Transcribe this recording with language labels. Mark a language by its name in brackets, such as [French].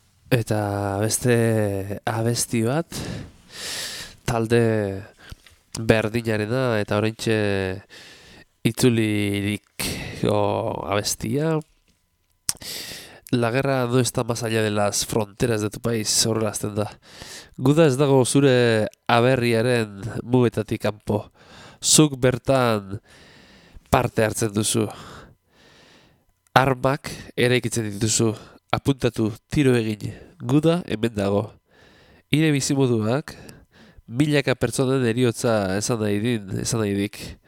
[Basque] eta beste abesti bat talde berdinarena eta oraintxe itzulirik o abestia. [Spanish] La guerra no está más allá de las fronteras de tu país, [Basque] horrelazten da. Guda ez dago zure aberriaren mugetatik kanpo. Zuk bertan parte hartzen duzu. Armak eraikitzen dituzu. Apuntatu, tiro egin. Guda hemen dago. Hire bizimoduak, milaka pertsonen eriotza esan nahi din, esan nahi dik.